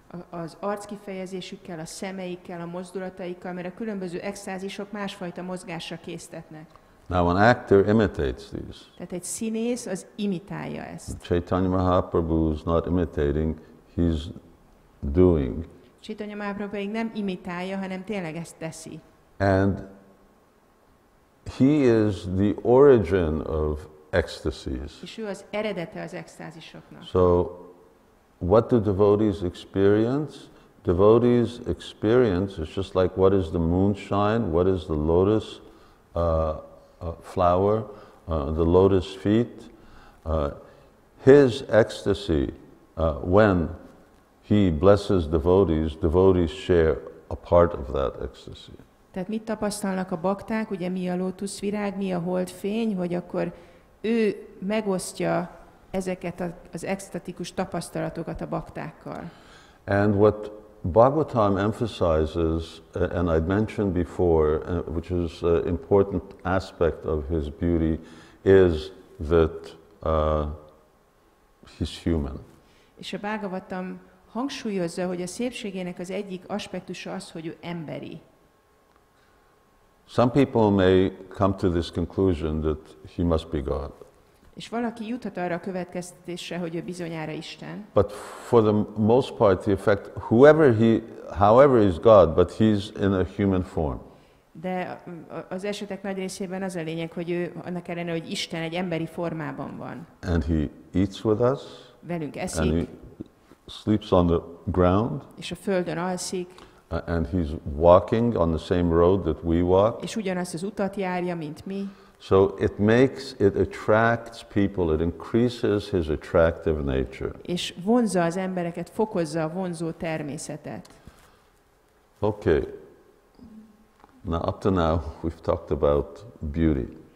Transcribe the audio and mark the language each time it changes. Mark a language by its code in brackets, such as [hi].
[hu] Az arckifejezésükkel, a szemeikkel, a mozdulataikkal, mert a különböző extázisok másfajta mozgásra késztetnek. [en] Now an actor imitates these. [hu] Tehát egy színész az imitálja ezt. [en] Chaitanya Mahaprabhu is not imitating, he's doing. [hu] Chaitanya Mahaprabhu nem imitálja, hanem tényleg ezt teszi. [en] And he is the origin of ecstasies. [hu] És ő az eredete az extázisoknak. [en] So what do devotees experience? Devotees experience is just like what is the moonshine, what is the lotus flower, the lotus feet. His ecstasy, when he blesses devotees, devotees share a part of that ecstasy. [hu] Tehát mit tapasztalnak a bakták, ugye mi a lótuszvirág, mi a holdfény, hogy akkor ő megosztja ezeket az extatikus tapasztalatokat a baktákkal. [en] And what Bhagavatam emphasizes, and I'd mentioned before, which is an important aspect of his beauty, is that he's human. [hu] És a Bhagavatam hangsúlyozza, hogy a szépségének az egyik aspektusa az, hogy ő emberi. [en] Some people may come to this conclusion that he must be God. [hu] És valaki juthat arra a következtetésre, hogy ő bizonyára Isten. [en] But for the most part, the effect, whoever he, however he's God, but he's in a human form. [hu] De az esetek nagy részében az a lényeg, hogy ő annak ellenére, hogy Isten egy emberi formában van. [en] And he eats with us. [hu] Velünk eszik. [en] And he sleeps on the ground. [hu] És a földön alszik. [en] And he's walking on the same road that we walk. [hu] És ugyanazt az utat járja, mint mi. [en] So it makes, it attracts people, it increases his attractive nature. [hu] És vonza az embereket, fokozza a vonzó természetet. [en] Okay. Now up to now we've talked about beauty.